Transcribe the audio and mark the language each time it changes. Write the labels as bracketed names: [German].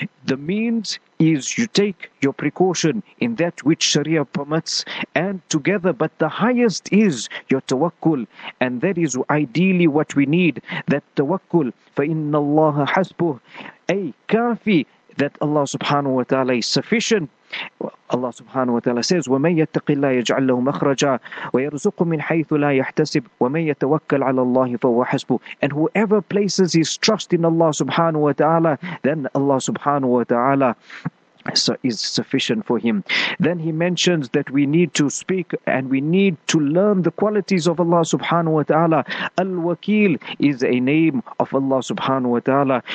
[English] The means is you take your precaution in that which Sharia permits and together, but the highest is your tawakkul, and that is ideally what we need, that tawakkul. [Arabic] فَإِنَّ اللَّهَ حَسْبُهُ أي كافي, [English] that Allah subhanahu wa ta'ala is sufficient. Allah subhanahu wa ta'ala says, [Arabic] وَمَنْ يَتَّقِ اللَّهِ يَجْعَلْ لَهُ مَخْرَجًا وَيَرْزُقُ مِنْ حَيْثُ لَا يَحْتَسِبْ وَمَنْ يَتَوَكَّلْ عَلَى اللَّهِ فَهُوَ حَسْبُهُ. [English] And whoever places his trust in Allah subhanahu wa ta'ala, then Allah subhanahu wa ta'ala so is sufficient for him. Then he mentions that we need to speak and we need to learn the qualities of Allah subhanahu wa ta'ala. Al-Wakil is a name of Allah subhanahu wa ta'ala.